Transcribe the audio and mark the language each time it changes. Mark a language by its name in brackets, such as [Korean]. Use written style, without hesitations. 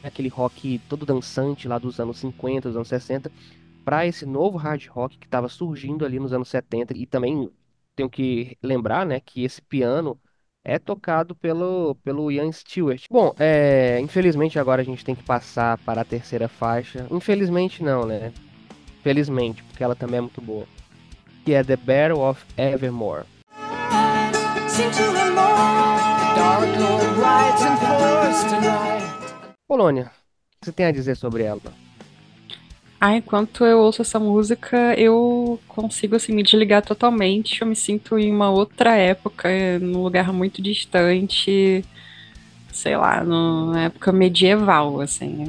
[Portuguese] Aquele rock todo dançante lá dos anos 50, dos anos 60, para esse novo hard rock que estava surgindo ali nos anos 70 e também tenho que lembrar, né, que esse piano é tocado pelo Ian Stewart. Bom, infelizmente agora a gente tem que passar para a terceira faixa. Infelizmente não, né? Felizmente, porque ela também é muito boa. Que é The Battle of Evermore. [English] Dark Lord rides in force tonight. [Portuguese] Polônia, o que você tem a dizer sobre ela? Ah, enquanto eu ouço essa música, eu consigo assim me desligar totalmente. Eu me sinto em uma outra época, num lugar muito distante, sei lá, numa época medieval, assim.